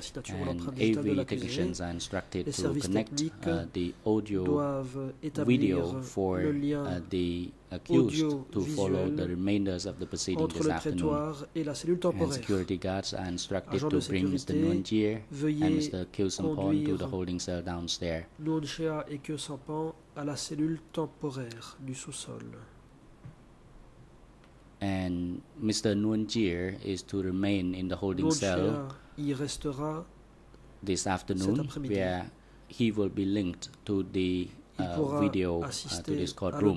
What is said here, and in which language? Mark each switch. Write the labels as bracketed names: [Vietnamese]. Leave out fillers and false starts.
[English] And AV technicians are instructed to connect the audio video for the accused to follow the remainders of the proceeding this afternoon. And security guards are instructed to bring Mr. Nguyen Thieu and Mr. Kyu Sampon to the holding cell downstairs. [French] Nguyen Thieu et Kyu Sampon à la cellule temporaire du sous-sol. [English] And Mr. Nguyen Thieu is to remain in the holding cell [French] y restera [English] this afternoon, where he will be linked to the video to this courtroom.